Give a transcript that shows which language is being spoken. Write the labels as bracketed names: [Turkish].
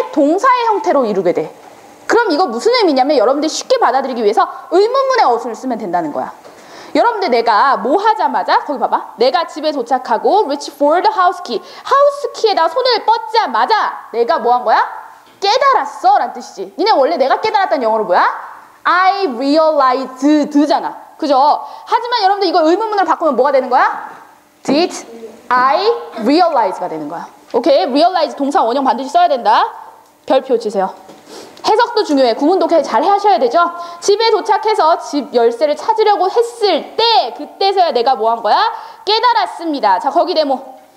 [Korean] 동사의 형태로 이루게 돼. 그럼 이거 무슨 의미냐면 여러분들 쉽게 받아들이기 위해서 의문문의 어순을 쓰면 된다는 거야. 여러분들 내가 뭐 하자마자 거기 봐봐. 내가 집에 도착하고 [English] reach for the house key. [Korean] 하우스키에다 손을 뻗자마자 내가 뭐 한 거야? 깨달았어 라는 뜻이지. 니네 원래 내가 깨달았다는 영어로 뭐야? [English] I realized [Korean] 잖아. 그죠? 하지만 여러분들 이거 의문문으로 바꾸면 뭐가 되는 거야? [English] Did I realize [Korean] 가 되는 거야. 오케이. Realize 동사 원형 반드시 써야 된다. 별표 치세요. 해석도 중요해. 구문도 잘 하셔야 되죠? 집에 도착해서 집 열쇠를 찾으려고 했을 때 그때서야 내가 뭐 한 거야? 깨달았습니다. 자 거기 네모.